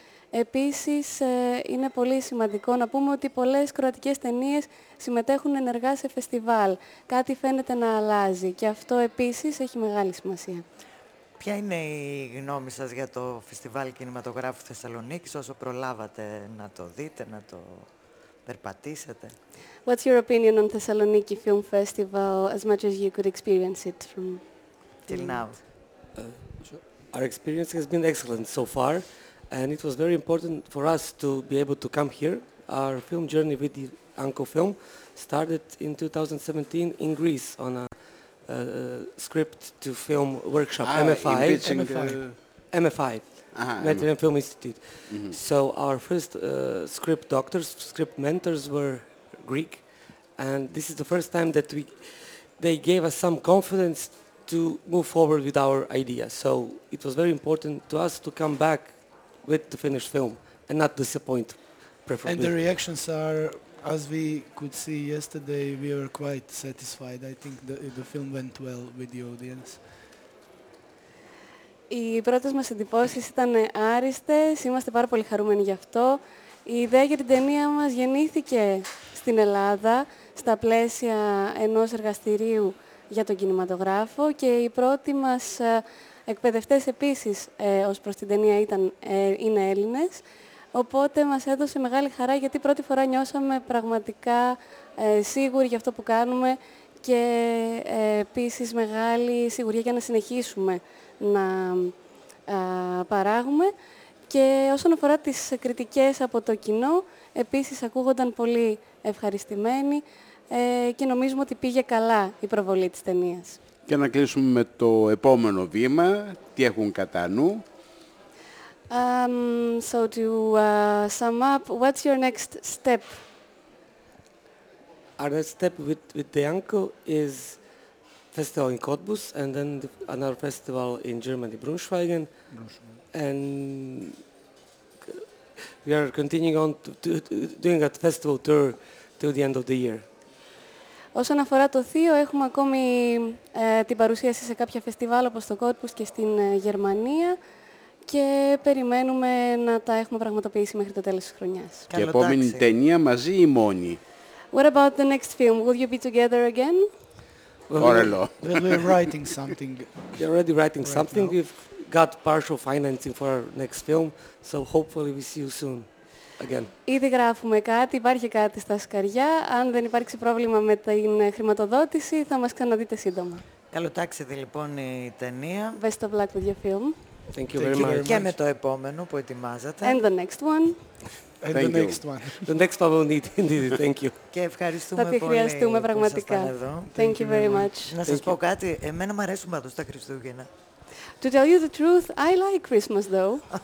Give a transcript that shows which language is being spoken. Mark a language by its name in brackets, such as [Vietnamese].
[Greek] Επίσης, είναι πολύ σημαντικό να πούμε ότι πολλές κροατικές ταινίες συμμετέχουν ενεργά σε φεστιβάλ. Κάτι φαίνεται να αλλάζει και αυτό επίσης έχει μεγάλη σημασία. Ποια είναι η γνώμη σας για το Φεστιβάλ Κινηματογράφου Θεσσαλονίκης, όσο προλάβατε να το δείτε, να το περπατήσετε? [English] What's your opinion on Thessaloniki Film Festival, as much as you could experience it from till now? Our experience has been excellent so far. And it was very important for us to be able to come here. Our film journey with the Anko film started in 2017 in Greece on a script to film workshop, MFI. MFI, Mediterranean Film Institute. Mm-hmm. So our first script doctors, script mentors were Greek. And this is the first time that they gave us some confidence to move forward with our idea. So it was very important to us to come back with the finished film and not disappoint, preferably. And the reactions are, as we could see yesterday, we were quite satisfied. I think the film went well with the audience. [Greek] Οι πρώτες μας εντυπώσεις ήταν άριστες. Είμαστε πάρα πολύ χαρούμενοι γι' αυτό. Η ιδέα για την ταινία μας γεννήθηκε στην Ελλάδα, στα πλαίσια ενός εργαστηρίου για τον κινηματογράφο και οι πρώτοι μας εκπαιδευτές επίσης ως προς την ταινία είναι Έλληνες. Οπότε μας έδωσε μεγάλη χαρά γιατί πρώτη φορά νιώσαμε πραγματικά σίγουροι για αυτό που κάνουμε και επίσης μεγάλη σιγουριά για να συνεχίσουμε να παράγουμε. Και όσον αφορά τις κριτικές από το κοινό, επίσης ακούγονταν πολύ ευχαριστημένοι και νομίζουμε ότι πήγε καλά η προβολή της ταινίας. Και να κλείσουμε με το επόμενο βήμα. Τι έχουν κατά νου? [English] So to sum up, what's your next step? Our next step with the Anko is festival in Cottbus and then another festival in Germany, Braunschweigen. And we are continuing on to doing a festival tour till the end of the year. [Greek] Όσον αφορά το θείο, έχουμε ακόμη την παρουσίαση σε κάποια φεστιβάλ όπως το Corpus και στην Γερμανία και περιμένουμε να τα έχουμε πραγματοποιήσει μέχρι το τέλος της χρονιάς. Και επόμενη ταινία μαζί ή μόνη? [English] What about the next film? Will you be together again? [Greek] Ωραίο. [English] We're writing something. We're already writing something. We've got partial financing for our next film, so hopefully we see you soon. [Greek] Ήδη γράφουμε κάτι, υπάρχει κάτι στα σκαριά. Αν δεν υπάρξει πρόβλημα με την χρηματοδότηση, θα μας ξαναδείτε σύντομα. Καλό ταξίδι λοιπόν η ταινία. [English] Best of luck with your film. Thank you very much. [Greek] Και με το επόμενο που ετοιμάζατε. [English] And the next one. And the next one. The next one will need indeed. Thank you. [Greek] Και ευχαριστούμε πολύ. Θα τη χρειαστούμε πραγματικά. [English] Thank you very much. [Greek] Να σας πω κάτι, εμένα μου αρέσουν πάντως τα Χριστούγεννα. [English] To tell you the truth, I like Christmas, though.